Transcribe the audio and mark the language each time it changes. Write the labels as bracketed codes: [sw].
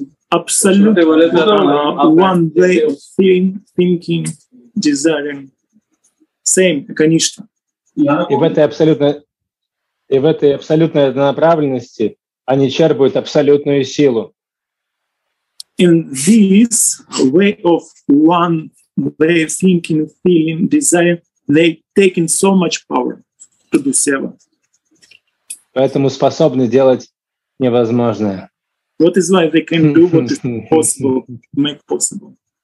[en] Absolutely one way of thinking, desiring, same, [ru] конечно. И в этой абсолютной однонаправленности они черпают абсолютную силу. [en] In this way of one way of thinking, feeling, desiring, they taken so much power to do seva. [ru] Поэтому способны делать невозможное. [en] What is why they can do what is possible, make possible.